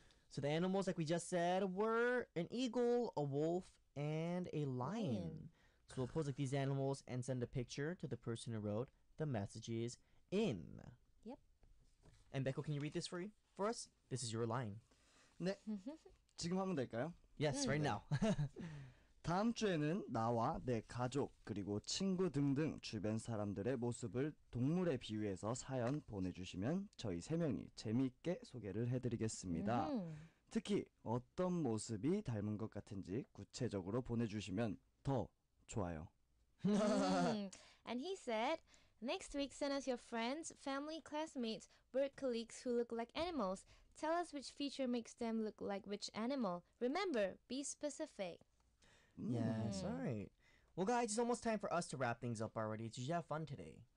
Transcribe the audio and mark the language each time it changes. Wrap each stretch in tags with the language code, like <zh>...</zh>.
<en>So the animals, like we just said, were an eagle, a wolf, and a lion. So we'll pose like these animals and send a picture to the person who wrote the messages in. Yep. And Baekho, can you read this for us? This is your line.</en> <ko>네, 지금 하면 될까요?</ko> <en>Yes, right now.</en> <ko>다음 주에는 나와 내 가족 그리고 친구 등등 주변 사람들의 모습을 동물에 비유해서 사연 보내주시면 저희 세 명이 재미있게 소개를 해드리겠습니다. 특히 어떤 모습이 닮은 것 같은지 구체적으로 보내주시면 더 좋아요.</ko> <en>And he said, next week send us your friends, family, classmates, work colleagues who look like animals. Tell us which feature makes them look like which animal. Remember, be specific. Yes, all right. Well, guys, it's almost time for us to wrap things up already. Did you have fun today?</en>